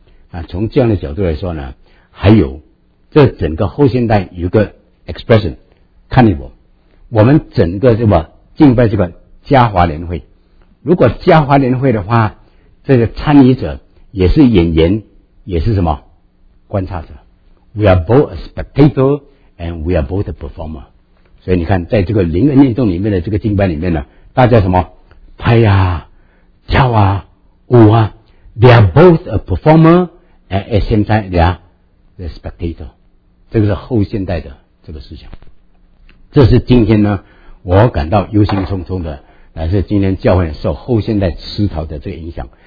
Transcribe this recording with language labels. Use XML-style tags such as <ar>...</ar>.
<zh>啊，从这样的角度来说呢，还有这整个后现代有个 expression， 看你我们整个这个敬拜这个嘉华联会，如果嘉华联会的话，这个参与者也是演员，也是什么观察者 ？</zh> <en>We are both a spectator and we are both a performer。</en> <zh>所以你看，在这个灵恩运动里面的这个敬拜里面呢，大家什么拍呀、跳啊、舞啊。</zh> <en>They are both a performer and at the same time they are the spectator。</en> <zh>这个是后现代的这个思想，这是今天呢我感到忧心忡忡的，乃是今天教会受后现代思潮的这个影响。</zh>